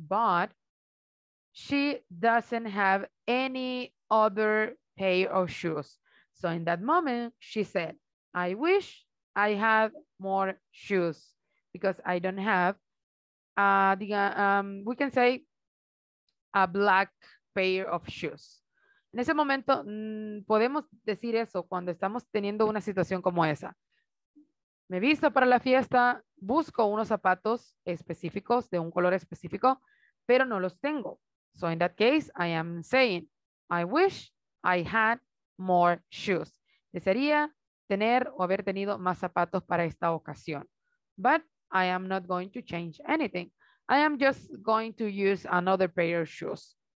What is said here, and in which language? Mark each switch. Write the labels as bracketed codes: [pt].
[en] But she doesn't have any other pair of shoes. So in that moment, she said, I wish I had more shoes, because I don't have, we can say, a black pair of shoes. [es] En ese momento podemos decir eso cuando estamos teniendo una situación como esa. Me visto para la fiesta, busco unos zapatos específicos de un color específico, pero no los tengo. [en] So in that case, I am saying, I wish I had more shoes. [es] Desearía tener o haber tenido más zapatos para esta ocasión. [en] But I am not going to change anything. I am just going to use another pair of shoes.